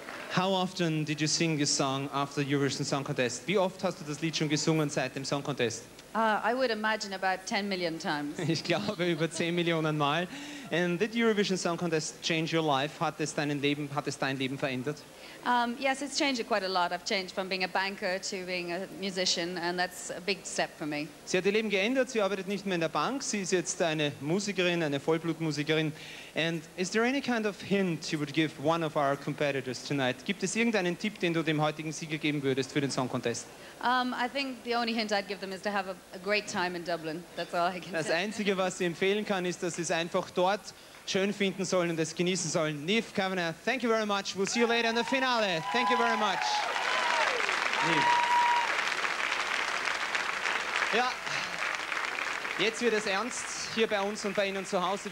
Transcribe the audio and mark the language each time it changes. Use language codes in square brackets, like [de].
[en] How often did you sing this song after the Eurovision Song Contest? [de] Wie oft hast du das Lied schon gesungen seit dem Song Contest? [en] I would imagine about 10 million times. [de] Ich glaube über 10 Millionen Mal. [en] And did the Eurovision Song Contest change your life? [de] Hat es dein Leben verändert? [en] Yes, it's changed it quite a lot. I've changed from being a banker to being a musician, and that's a big step for me. [de] Sie hat ihr Leben geändert. Sie arbeitet nicht mehr in der Bank. Sie ist jetzt eine Musikerin, eine Vollblutmusikerin. [en] And is there any kind of hint you would give one of our competitors tonight? [de] Gibt es irgendeinen Tipp, den du dem heutigen Sieger geben würdest für den Song Contest? [en] I think the only hint I'd give them is to have a a great time in Dublin. That's all I can say. [de] Das Einzige, was ich empfehlen kann, ist, dass Sie es einfach dort schön finden sollen und es genießen sollen. [en] Niamh Kavanagh, thank you very much. We'll see you later in the finale. Thank you very much. Niamh. [de] Ja, jetzt wird es ernst hier bei uns und bei Ihnen zu Hause.